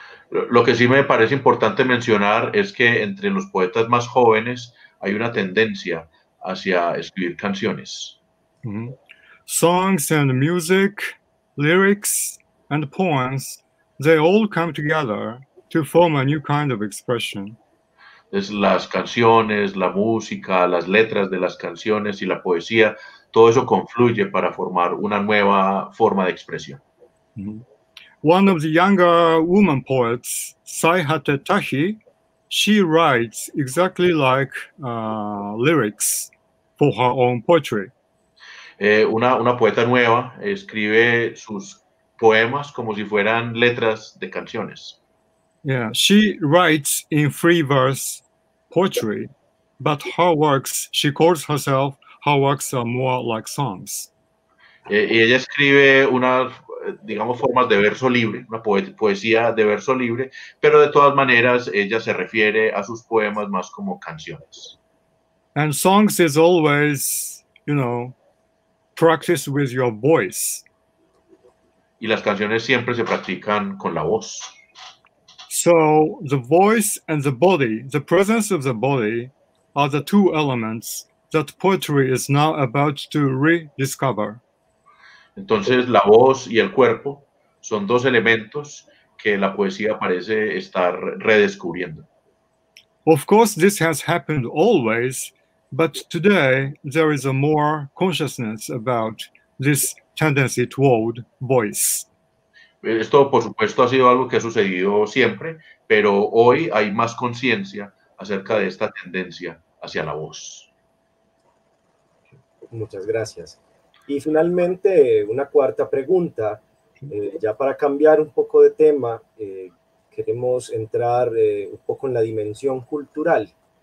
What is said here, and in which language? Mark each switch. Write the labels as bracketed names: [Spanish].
[Spanish] Lo que sí me parece importante mencionar es que entre los poetas más jóvenes hay una tendencia hacia escribir canciones. Mm-hmm. [English] Songs and music, lyrics and poems, they all come together to form a new kind of expression. [Spanish] Es las canciones, la música, las letras de las canciones y la poesía, todo eso confluye para formar una nueva forma de expresión. [English] Mm-hmm. One of the younger woman poets, Saihate Tahi, she writes exactly like lyrics for her own poetry. [Spanish] Una poeta nueva escribe sus poemas como si fueran letras de canciones. [English] Yeah, she writes in free verse poetry, but her works, she calls herself her works are more like songs. [Spanish] Y ella escribe una, digamos, formas de verso libre, una poesía de verso libre, pero de todas maneras ella se refiere a sus poemas más como canciones. [English] And songs is always, you know, practice with your voice. [Spanish] Y las canciones siempre se practican con la voz. [English] So the voice and the body, the presence of the body, are the two elements that poetry is now about to rediscover. [Spanish] Entonces la voz y el cuerpo son dos elementos que la poesía parece estar redescubriendo. [English] Of course, this has happened always. But today, there is a more consciousness about this tendency toward voice. [Spanish] Esto, por supuesto, ha sido algo que ha sucedido siempre, pero hoy hay más conciencia acerca de esta tendencia hacia la voz. Muchas gracias. Y finalmente, una cuarta pregunta. Ya para cambiar un poco de tema, queremos entrar un poco en la dimensión cultural.